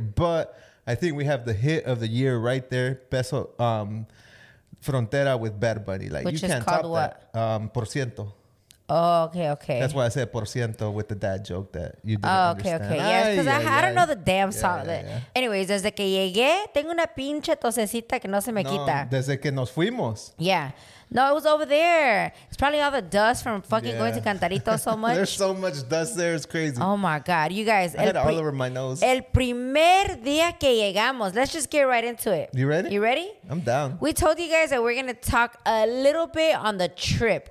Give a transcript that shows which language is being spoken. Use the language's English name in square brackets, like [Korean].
[English] But I think we have the hit of the year right there, Peso Frontera with Bad Bunny. Like, which you can't top what? That. [Spanish] Por ciento. [English] Oh, okay. That's why I said [Spanish] por ciento [English] with the dad joke that you didn't understand. Oh, okay. Ay, yes, because I don't know the damn song. Yeah. [Spanish] Anyways, desde que llegué, tengo una pinche tosecita que no se me quita. Desde que nos fuimos. [English] Yeah. No, it was over there. It's probably all the dust from fucking going to Cantarito so much. There's so much dust there. It's crazy. Oh, my God. You guys. I had it all over my nose. [Spanish] El primer día que llegamos. [English] Let's just get right into it. You ready? I'm down. We told you guys that we're going to talk a little bit on the trip.